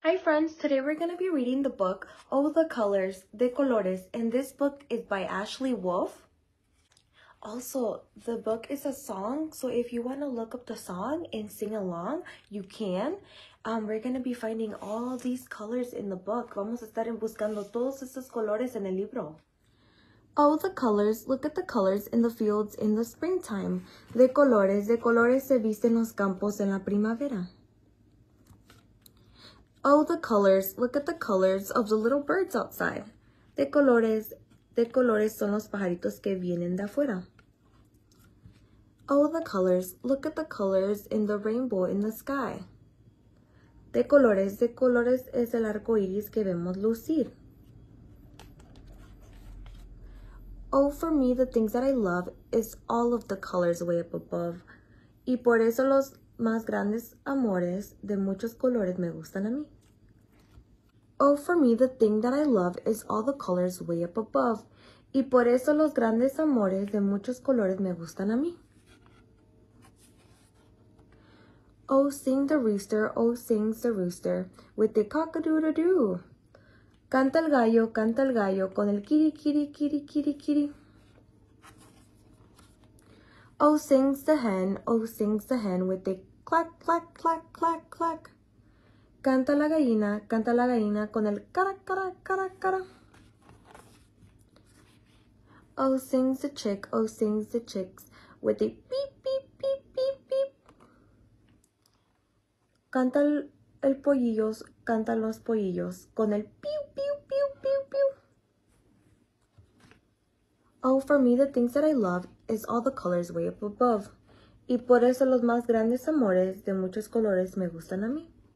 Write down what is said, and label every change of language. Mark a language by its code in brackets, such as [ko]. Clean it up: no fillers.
[en] Hi friends, today we're going to be reading the book All the Colors, De Colores, and this book is by Ashley Wolf. Also, the book is a song, so if you want to look up the song and sing along, you can. We're going to be finding all these colors in the book. [es] Vamos a estar buscando todos estos colores en el libro. [en] All the colors, look at the colors in the fields in the springtime. [es] De colores se visten los campos en la primavera. [en] All the colors, look at the colors of the little birds outside. [es] De colores son los pajaritos que vienen de afuera. [en] All the colors, look at the colors in the rainbow in the sky. [es] De colores es el arco iris que vemos lucir. [en] Oh, for me, the things that I love is all of the colors way up above. [es] Y por eso los más grandes amores de muchos colores me gustan a mí. [en] Oh, for me, the thing that I love is all the colors way up above. [es] Y por eso los grandes amores de muchos colores me gustan a mí. [en] Oh, sing the rooster, oh, sings the rooster with the cock-a-doodle-doo. [es] Canta el gallo con el kiri-kiri-kiri-kiri-kiri. [en] Oh, sings the hen, oh, sings the hen with the clack-clack-clack-clack-clack. [es] Canta la gallina con el cara, cara, cara, cara. [en] Oh, sings the chick, oh, sings the chicks with a beep, beep, beep, beep, beep. [es] Canta el pollillos, canta los pollillos con el pew, pew, pew, pew, pew. [en] Oh, for me, the things that I love is all the colors way up above. [es] Y por eso los más grandes amores de muchos colores me gustan a mí.